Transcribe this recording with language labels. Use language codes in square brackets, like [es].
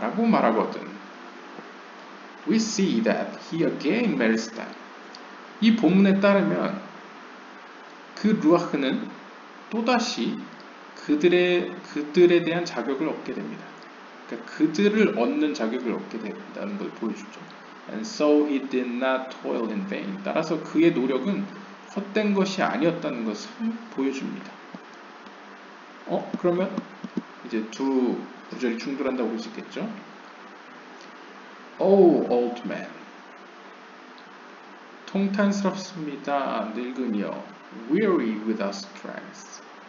[ko] 라고 말하거든. [en] We see that he again marries them. [ko] 이 본문에 따르면 그 루아크는 또다시 그들에 대한 자격을 얻게 됩니다. 그러니까 그들을 얻는 자격을 얻게 된다는 걸 보여주죠. [en] And so he did not toil in vain. [ko] 따라서 그의 노력은 헛된 것이 아니었다는 것을 보여줍니다. 그러면 이제 두 구절이 충돌한다고 볼 수 있겠죠? [en] Oh, old man. [ko] 통탄스럽습니다, 늙은이여. [en] Weary without strength.